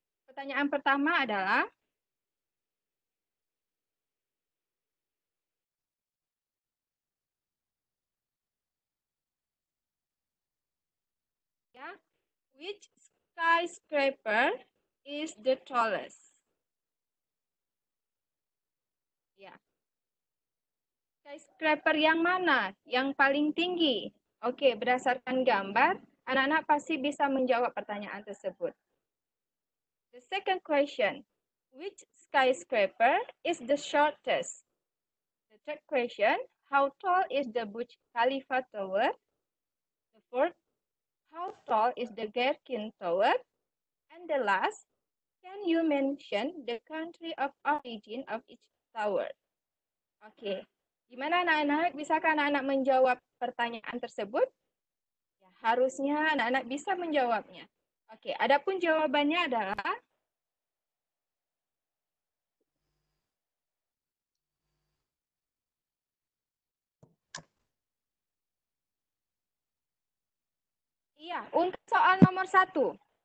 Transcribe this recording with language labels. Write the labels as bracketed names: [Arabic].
[Indonesian] Pertanyaan pertama adalah, ya, [English] which skyscraper is the tallest? [Indonesian] Skyscraper yang mana? Yang paling tinggi? Oke, berdasarkan gambar, anak-anak pasti bisa menjawab pertanyaan tersebut. [English] The second question, which skyscraper is the shortest? The third question, how tall is the Burj Khalifa Tower? The fourth, how tall is the Gherkin Tower? And the last, can you mention the country of origin of each tower? [Indonesian] Oke. Gimana anak-anak? Bisakah anak-anak menjawab pertanyaan tersebut? Ya, harusnya anak-anak bisa menjawabnya. Oke, adapun jawabannya adalah iya, untuk soal nomor 1.